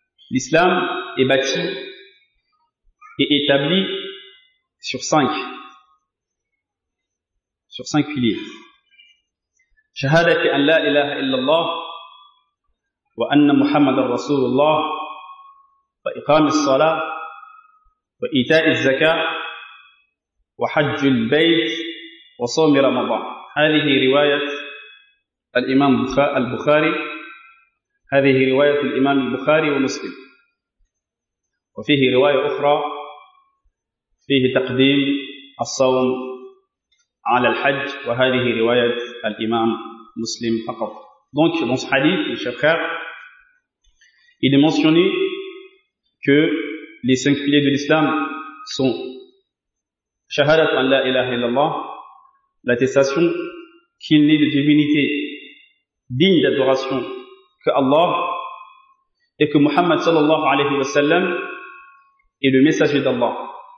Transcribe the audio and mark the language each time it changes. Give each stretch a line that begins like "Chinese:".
French: L'islam est bâti et établi sur cinq piliers.
Arabic: Shahadati an la ilaha illallah wa anna Muhammadan rasulullah wa iqam as-salah وإيتاء الزكاة وحج البيت وصوم رمضان. هذه رواية الإمام البخاري، هذه رواية الإمام البخاري ومسلم، وفيه رواية أخرى فيه تقديم الصوم على الحج، وهذه رواية الإمام مسلم فقط.
French: Donc dans ce hadith, mes chers frères, Il est mentionné que les cinq piliers de l'islam sont
Arabic: Shahadat an la ilaha illallah,
French: l'attestation qu'il n'est de divinité digne d'adoration que Allah, et que Muhammad
Arabic: sallallahu alayhi wa sallam
French: est le messager d'Allah.